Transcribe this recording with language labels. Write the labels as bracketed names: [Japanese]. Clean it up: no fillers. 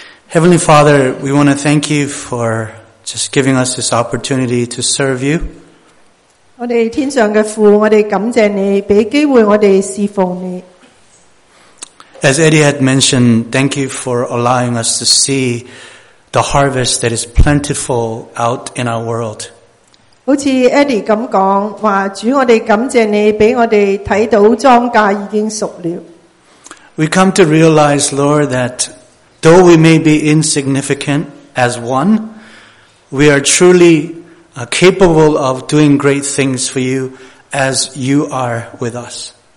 [English] Heavenly Father, we want to thank you for just giving us this opportunity to serve you. [Chinese] 我们天上的父，我们感谢你，给机会我们侍奉你。 [English] As Eddie had mentioned, thank you for allowing us to see the harvest that is plentiful out in our world. [Chinese] 好像Eddie这么说，主，我们感谢你，给我们看到庄稼已经熟了。 [English] We come to realize, Lord, that though we may be insignificant as one, we are truly capable of doing great things for you as you are with us.